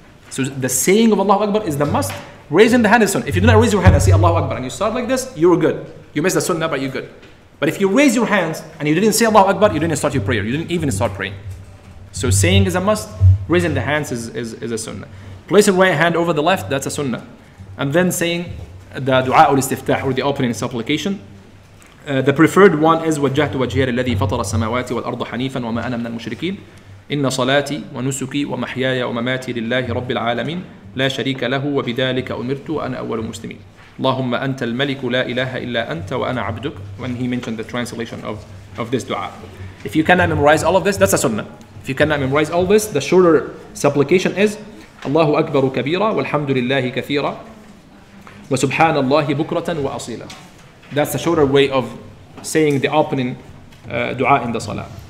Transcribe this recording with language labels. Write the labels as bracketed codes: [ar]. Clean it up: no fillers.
[en] So the saying of Allahu Akbar is the must. Raising the hand is sunnah. If you do not raise your hand and say Allahu Akbar and you start like this, you're good. You missed the sunnah, but you're good. But if you raise your hands and you didn't say Allahu Akbar, you didn't start your prayer. You didn't even start praying. So saying is a must. Raising the hands is a sunnah. Placing right hand over the left, that's a sunnah. And then saying the dua al-istiftah, or the opening supplication. The preferred one is [ar] وَجَّهْتُ وَجْهِيَ الَّذِي فَطَرَ السَّمَاوَاتِ وَالْأَرْضَ حَنِيفًا وَمَا أَنَا مِنَ الْمُشْرِكِينَ إِنَّ صَلَاتِي وَنُسُكِي وَمَحْيَايَ وَمَمَاتِي لِلَّهِ رَبِّ الْعَالَمِينَ لَا شَرِيكَ لَهُ وَبِذَلِكَ أُمِرْتُ وَأَنَا أَوَّلُ الْمُسْلِمِينَ اللهم أنت الملك لا إله إلا أنت وأنا عبدك. [en] When he mentioned the translation of this dua, if you cannot memorize all of this, that's a sunnah. If you cannot memorize all this, the shorter supplication is [ar] الله أكبر كبيرة والحمد لله كثيرة وسبحان الله بكرة وأصيلة. [en] That's the shorter way of saying the opening dua in the salah.